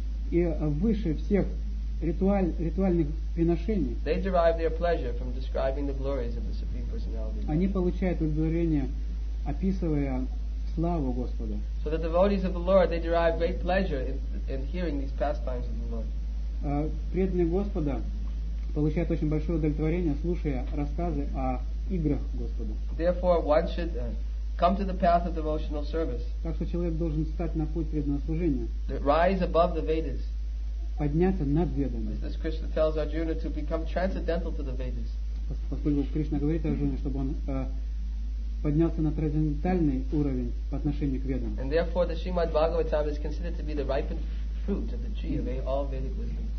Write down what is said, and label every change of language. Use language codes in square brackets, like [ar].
[ru] И выше всех ритуальных приношений. [en] They derive their pleasure from describing the glories of the Supreme Personality. [ru] Они получают удовлетворение, описывая славу Господа. [en] So the devotees of the Lord, they derive great pleasure in hearing these pastimes of the Lord. [ru] Преданные Господа получают очень большое удовлетворение, слушая рассказы о играх Господа. [en] Therefore, one should come to the path of devotional service. [ru] Так что человек должен встать на путь преданного служения. [en] Rise above the Vedas. [ru] подняться над ведами. [en] As Krishna tells Arjuna to become transcendental to the Vedas. [ru] Поскольку Кришна говорит Арджуне, чтобы он поднялся на трансцендентальный уровень по отношению к ведам. [en] And therefore the Srimad Bhagavatam is considered to be the ripened fruit of the tree of all Vedic wisdom.